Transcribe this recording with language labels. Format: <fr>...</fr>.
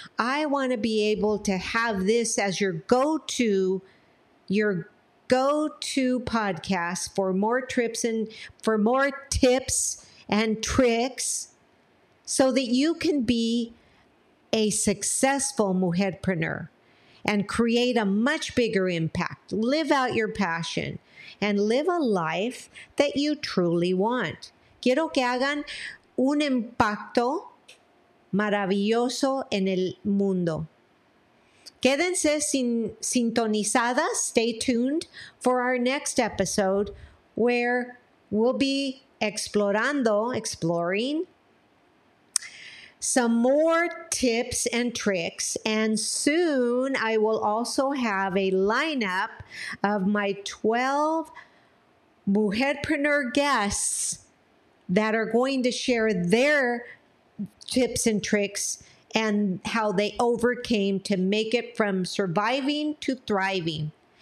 <en>I want to be able to have this as your go-to podcast for more trips and for more tips and tricks so that you can be a successful mujerpreneur and create a much bigger impact. Live out your passion and live a life that you truly want.</en> <es>Quiero que hagan un impacto maravilloso en el mundo. Quédense sintonizadas.</es> <en>Stay tuned for our next episode where we'll be exploring some more tips and tricks. And soon I will also have a lineup of my 12 Mujerpreneur guests that are going to share their tips and tricks and how they overcame to make it from surviving to thriving.</en>